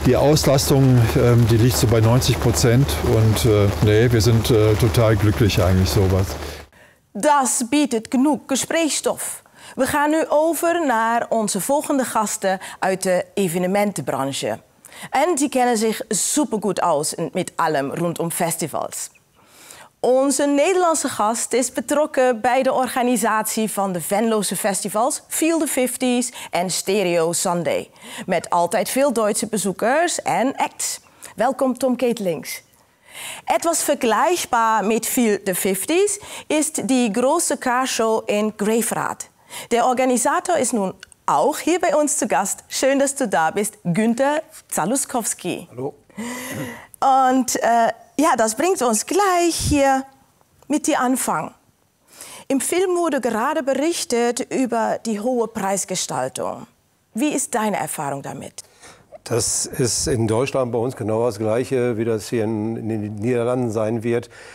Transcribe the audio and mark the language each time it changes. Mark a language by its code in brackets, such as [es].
[de] Die Auslastung, die liegt so bei 90%. Und wir sind total glücklich eigentlich sowas. Das bietet genug Gesprächsstoff. Wir gehen [nl] nu over naar onze volgende [de] Gasten aus der Evenementenbranche. Und die kennen sich super gut aus mit allem rund um Festivals. [nl] Onze Nederlandse gast is betrokken bij de organisatie van de Venlose festivals Feel the 50s en Stereo Sunday. Met altijd veel Duitse bezoekers en acts. Welkom Tom Ketelings. Etwas vergelijkbaar met Feel the 50s is die grote kaarshow in Grafrath. De organisator is nu ook hier bij ons te gast. Schön dat je daar bist, Günther Zaluskowski. Hallo. En ja, [de] das bringt uns gleich hier mit dem Anfang. Im Film wurde gerade berichtet über die hohe Preisgestaltung. Wie ist deine Erfahrung damit? Das ist in Deutschland bei uns genau das Gleiche, wie das hier in den Niederlanden sein wird.